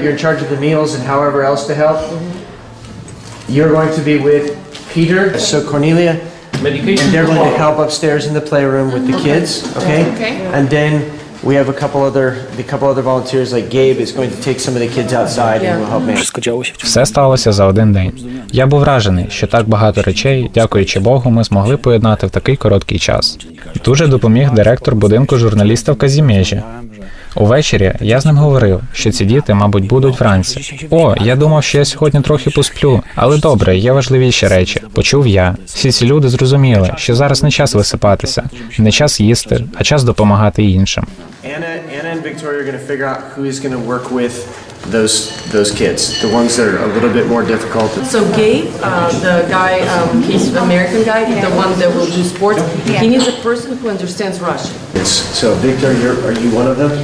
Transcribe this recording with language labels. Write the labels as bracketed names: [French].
[English] You're in charge of the meals and however else to help. Mm-hmm. You're going to be with Peter, so Cornelia, medication. And they're going to help upstairs in the playroom mm-hmm. with the kids, okay? Okay. And then we have a couple other volunteers, like Gabe is going to take some of the kids outside and will help me. [Ukrainian] Все сталося за один день. Я був вражений, що так багато речей, дякуючи Богу, ми змогли поєднати в такий короткий час. Дуже допоміг директор будинку журналіста в Казімежі. Увечері я з ним говорив, що ці діти, мабуть, будуть вранці. О, я думав, що я сьогодні трохи посплю, але добре, є важливіші речі, почув я. Всі ці люди зрозуміли, що зараз не час висипатися, не час їсти, а час допомагати іншим. [English] Anna and Victoria are going to figure out who is going to work with those kids, the ones that are a little bit more difficult. So Gabe, the guy, he's an American guy, yeah. The one that will do sports, yeah. He needs a person who understands Russian. Yes. So Victor, are you one of them?